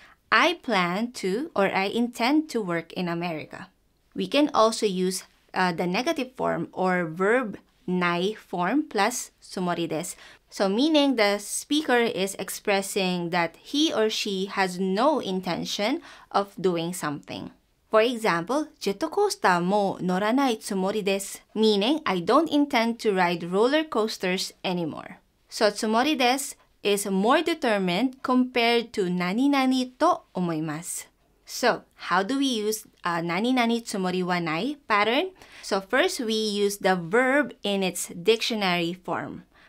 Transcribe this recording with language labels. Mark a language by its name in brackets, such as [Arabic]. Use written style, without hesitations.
[English] I plan to or I intend to work in America. We can also use the negative form or verbない form plus [Japanese] つもりです。 [English] So meaning the speaker is expressing that he or she has no intention of doing something. For example, [Japanese] ジェットコースターも乗らないつもりです。 [English] Meaning, I don't intend to ride roller coasters anymore. So [Japanese] つもりです [English] is more determined compared to [Japanese] 何々と思います。 [English] So, how do we use [Japanese] 何々つもりはない [English] pattern? So, first, we use the verb in its dictionary form.